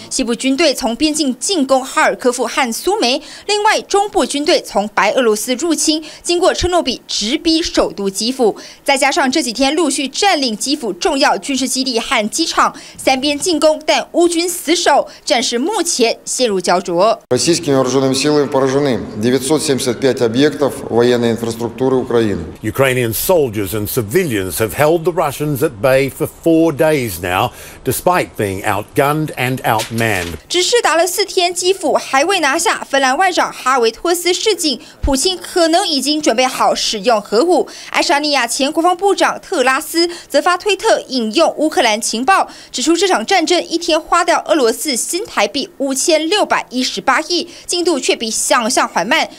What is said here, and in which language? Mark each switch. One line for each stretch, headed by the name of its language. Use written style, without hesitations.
Chinese: 西部军队从边境进攻哈尔科夫和苏梅，另外中部军队从白俄罗斯入侵，经过车诺比直逼首都基辅。再加上这几天陆续占领基辅重要军事基地和机场，三边进攻，但乌军死守，战事目前陷入焦灼。
Russian: Российскими вооруженными силами поражены 975 объектов военной инфраструктуры Украины.
English: Ukrainian soldiers and civilians have held the the Russians at bay for 4 days now, despite being outgunned and outmanned.
Chinese: 只是打了四天，基辅还未拿下。芬兰外长哈维托斯示警，普京可能已经准备好使用核武。爱沙尼亚前国防部长特拉斯则发推特引用乌克兰情报，指出这场战争一天花掉俄罗斯新台币5618亿，进度却比想象缓慢。